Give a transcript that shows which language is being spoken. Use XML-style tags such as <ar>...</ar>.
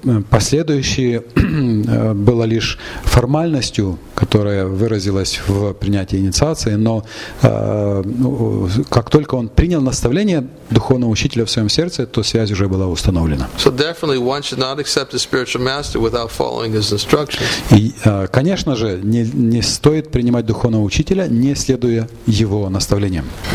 <ru>Последующее было лишь формальностью, которая выразилась в принятии инициации. Но как только он принял наставление духовного учителя в своем сердце, то связь уже была установлена.</ru> <en>So definitely, one should not accept a spiritual master without following his instructions.</en> <ru>И, конечно же, не стоит принимать духовного учителя, не следуя его наставлениям.</ru>